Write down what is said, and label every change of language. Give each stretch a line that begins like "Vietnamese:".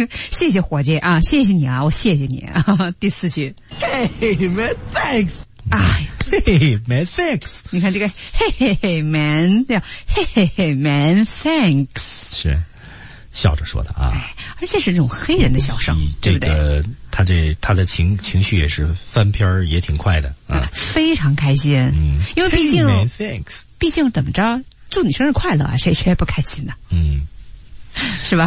Chinese: 谢谢伙计啊，谢谢你啊，我谢谢你啊。第四句
English: ，Hey man, thanks.
Chinese: 哎
English: ，Hey man, thanks.
Chinese: 你看这个
English: ，Hey man，
Chinese: 对呀
English: ，Hey man, thanks.
Chinese: 是笑着说的啊，哎、而且是那种黑人的笑声，这个、对不对？他的情绪也是翻篇也挺快的啊，非常开心。嗯，因为毕竟
English: hey, man, thanks.
Chinese: 毕竟怎么着，祝你生日快乐啊，谁不开心呢？嗯。是吧